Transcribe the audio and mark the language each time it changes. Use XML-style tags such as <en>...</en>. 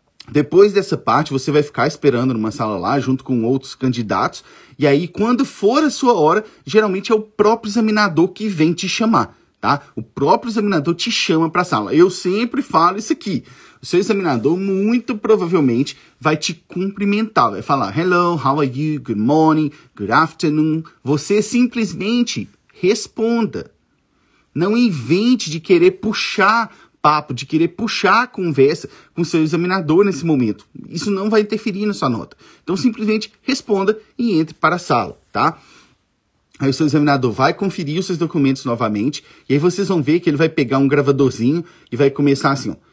<pt>Depois dessa parte, você vai ficar esperando numa sala lá, junto com outros candidatos. E aí, quando for a sua hora, geralmente é o próprio examinador que vem te chamar, tá? O próprio examinador te chama para a sala. Eu sempre falo isso aqui. O seu examinador, muito provavelmente, vai te cumprimentar. Vai falar,</pt> <en>hello, how are you, good morning, good afternoon.</en> <pt>Você simplesmente responda. Não invente de querer puxar papo, de querer puxar a conversa com o seu examinador nesse momento. Isso não vai interferir na sua nota. Então, simplesmente responda e entre para a sala, tá? Aí o seu examinador vai conferir os seus documentos novamente e aí vocês vão ver que ele vai pegar um gravadorzinho e vai começar assim, ó.</pt>